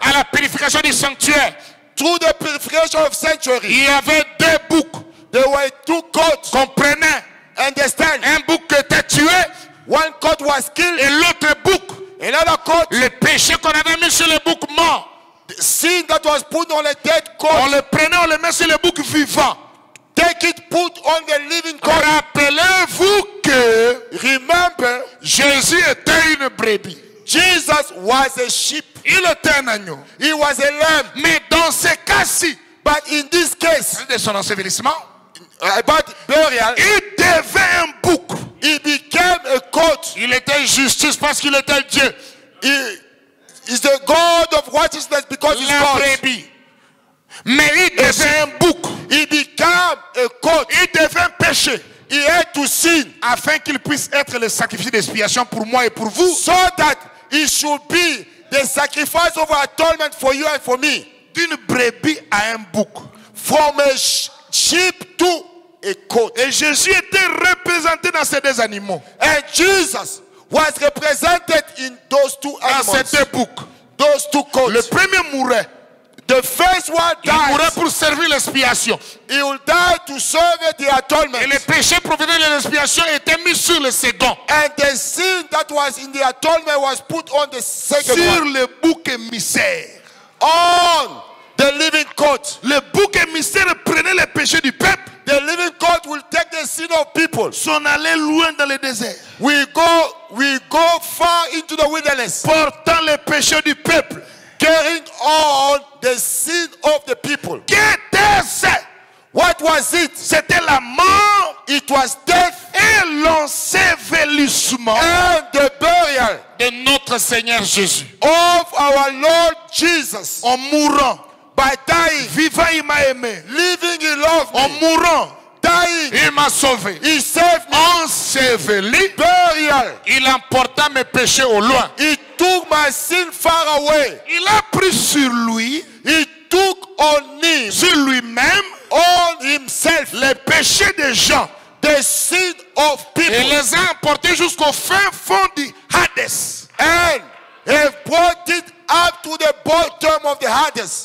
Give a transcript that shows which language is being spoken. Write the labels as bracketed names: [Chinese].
[French] À la purification du sanctuaire. [English] Through the purification of sanctuary. [French] Il y avait deux boucs. [English] There were two goats. [French] Comprenez. [English] Understand. [French] Un bouc qui était tué. [English] One goat was killed. [French] Et l'autre bouc. [English] Another goat. [French] Le péché qu'on avait mis sur le bouc mort. [English] The sin that was put on the dead goat. [French] On le prenait, on le met sur le bouc vivant. [English] Take it, put on the living goat. [French] Rappelez-vous que. [English] Remember. [French] Jésus était une brebis. [English] Jesus was a sheep. [French] Il était un agneau. [English] He was a lamb. [French] Mais dans ce cas-ci, [English] but in this case, [French] de son ensevelissement, [English] about burial, [French] il devint un bouc. [English] He became a goat. [French] Il était justice parce qu'il était Dieu. [English] He is the God of righteousness because he's God. [French] Mais il devint un bouc. [English] He became a goat. [French] Il devint péché. [English] He had to sin. [French] Afin qu'il puisse être le sacrifice d'expiation pour moi et pour vous. [English] So that he should be the sacrifice of atonement for you and for me. [French] D'une brebis à un bouc. [English] From a sheep to a goat. [French] Et Jésus était représenté dans ces deux animaux. [English] And Jesus was represented in those two animals. [French] Dans ces deux boucs. [English] Those two goats. [French] Le premier mourait. [English] The first one died. [French] Il mourait pour servir l'expiation. [English] He will die to serve the atonement. [French] Et le péché provenant de l'expiation était mis sur le second. [English] And the sin that was in the atonement was put on the second. [French] Sur [English] one. [French] Le bouc émissaire. [English] On the living goat. [French] Le bouc émissaire prenait les péchés du peuple. [English] The living goat will take the sin of people. [French] S'en aller loin dans le désert. [English] We go far into the wilderness. [French] Portant les péchés du peuple. [English] Carrying on the sin of the people. [French] Qu'est-ce? [English] What was it? [French] C'était la mort. [English] It was death. [French] Et l'ensevelissement. [English] And the burial. [French] De notre Seigneur Jésus. [English] Of our Lord Jesus. [French] En mourant. [English] By dying. [French] Vivant, il m'a aimé. [English] Living, he loved me. [French] En mourant. [English] Dying. [French] Il m'a sauvé. [English] He saved me. [French] Enseveli. [English] Burial. [French] Il emporta mes péchés au loin. [English] Took my sin far away. [French] Il a pris sur lui. [English] He took on him. [French] Sur lui-même. [English] On himself. [French] Les péchés des gens. [English] The sin of people. [French] Et les a emportés jusqu'au fin fond du Hades. [English] And he brought it up to the bottom of the Hades.